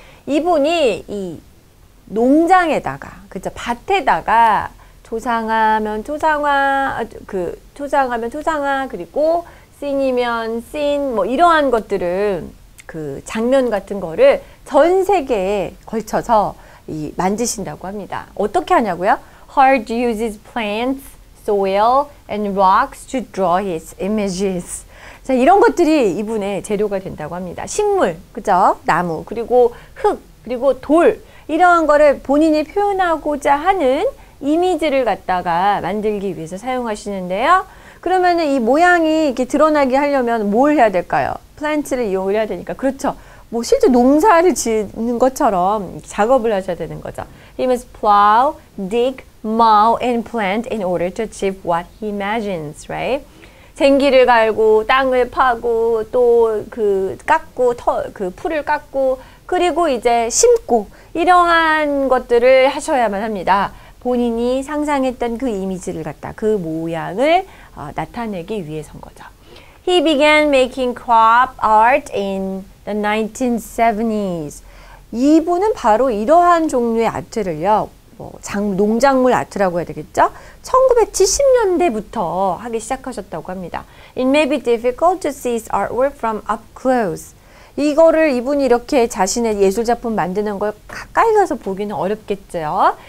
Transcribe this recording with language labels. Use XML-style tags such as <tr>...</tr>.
<ko>이분이 이 농장에다가, 그쵸, 밭에다가 초상화면 초상화, 초상화면 초상화, 그리고 씬이면 씬, 뭐 이러한 것들을 그 장면 같은 거를 전 세계에 걸쳐서 이 만드신다고 합니다. 어떻게 하냐고요?</ko> <en>Hard uses plants, soil, and rocks to draw his images.</en> <ko>자, 이런 것들이 이분의 재료가 된다고 합니다. 식물, 그죠? 나무, 그리고 흙, 그리고 돌, 이러한 거를 본인이 표현하고자 하는 이미지를 갖다가 만들기 위해서 사용하시는데요. 그러면은 이 모양이 이렇게 드러나게 하려면 뭘 해야 될까요? 플랜트를 이용을 해야 되니까. 그렇죠. 뭐 실제 농사를 짓는 것처럼 작업을 하셔야 되는 거죠.</ko> <en>He must plow, dig, mow, and plant in order to achieve what he imagines, right?</en> <ko>생기를 갈고, 땅을 파고, 또그 깎고, 풀을 깎고, 그리고 이제 심고, 이러한 것들을 하셔야만 합니다. 본인이 상상했던 그 이미지를 갖다, 그 모양을 나타내기 위해서인 거죠.</ko> <en>He began making crop art in the 1970s.</en> <ko>이분은 바로 이러한 종류의 아트를요. 농작물 아트라고 해야 되겠죠? 1970년대부터 하기 시작하셨다고 합니다.</ko> <en>It may be difficult to see his artwork from up close.</en> <ko>이거를 이분이 이렇게 자신의 예술 작품 만드는 걸 가까이 가서 보기는 어렵겠죠?</ko>